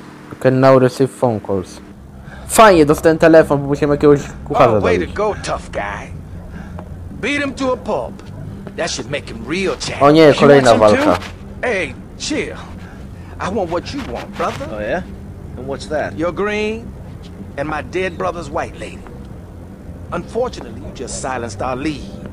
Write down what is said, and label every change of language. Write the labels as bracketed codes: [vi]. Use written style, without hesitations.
[en] You can now receive phone calls. [pl] Fajnie, dostałem telefon, bo musimy jakiegoś kucharza dobić. [en] Oh, way to go, tough guy. Beat him to a pulp. That should make him real champ. [pl] O nie, kolejna walka. [en] Hey, chill. I want what you want, brother. Oh yeah? And what's that? Your green and my dead brother's white lady. Unfortunately, you just silenced our lead.